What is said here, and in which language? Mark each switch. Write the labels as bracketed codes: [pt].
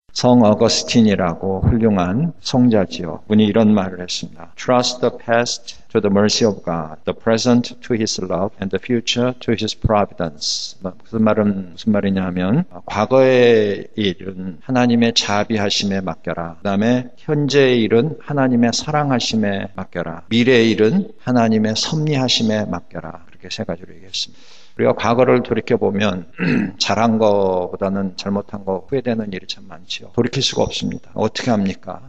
[ko] 성 어거스틴이라고 훌륭한 성자지요. 그분이 이런 말을 했습니다. [en] Trust the past to the mercy of God, the present to his love, and the future to his providence. [ko] 무슨 말이냐면 과거의 일은 하나님의 자비하심에 맡겨라. 그 다음에 현재의 일은 하나님의 사랑하심에 맡겨라. 미래의 일은 하나님의 섭리하심에 맡겨라. 그렇게 세 가지로 얘기했습니다. 우리가 과거를 돌이켜보면 잘한 거보다는 잘못한 거 후회되는 일이 참 많지요. 돌이킬 수가 없습니다. 어떻게 합니까?